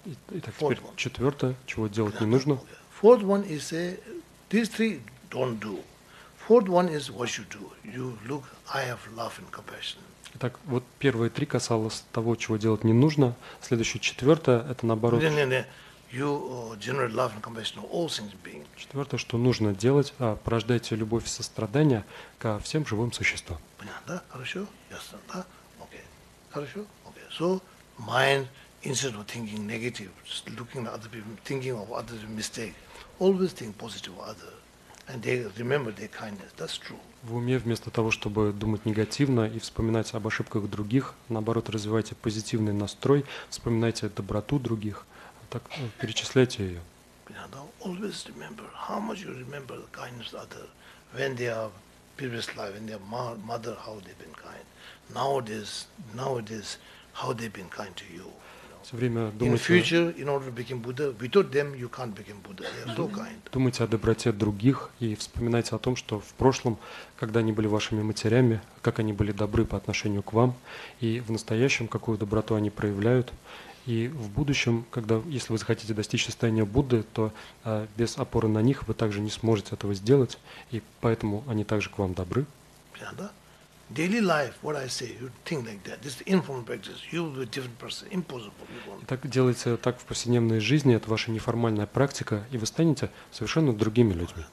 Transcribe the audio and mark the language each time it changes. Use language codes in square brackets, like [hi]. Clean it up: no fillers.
[ru] Итак, теперь четвертое, чего делать не нужно. [en] Fourth one is a, these three don't do. Fourth one is what you do. You look, I have love and compassion. [ru] Итак, вот первые три касалось того, чего делать не нужно. Следующее, четвертое, это наоборот. Не. [en] You generate love and compassion to all things being. [ru] Четвертое, что нужно делать, порождайте любовь и сострадание ко всем живым существам. Понятно, да? Хорошо? Ясно, да? Окей. Хорошо? Окей. [en] So, mind... Instead of thinking negative, just looking at other people, thinking of others' mistake, always think positive of others, and they remember their kindness. That's true. [ru] В уме вместо того, чтобы думать негативно и вспоминать об ошибках других, наоборот, развивайте позитивный настрой, вспоминайте доброту других, так перечисляйте ее. [en] Always remember how much you remember the kindness of others when they are previous life, when their mother, how they've been kind. Nowadays, how they've been kind to you. [ru] Думайте, [en] in future, in order to become Buddha, without them you can't become Buddha. They are so kind. [ru] Думайте о доброте других и вспоминайте о том, что в прошлом, когда они были вашими матерями, как они были добры по отношению к вам, и в настоящем, какую доброту они проявляют, и в будущем, когда, если вы захотите достичь состояния Будды, то без опоры на них вы также не сможете этого сделать, и поэтому они также к вам добры. [en] Daily life, what I say, you think like that. This informal practice, you will be a different person, impossible. [ru] Итак, делайте так в повседневной жизни, это ваша неформальная практика, и вы станете совершенно другими людьми.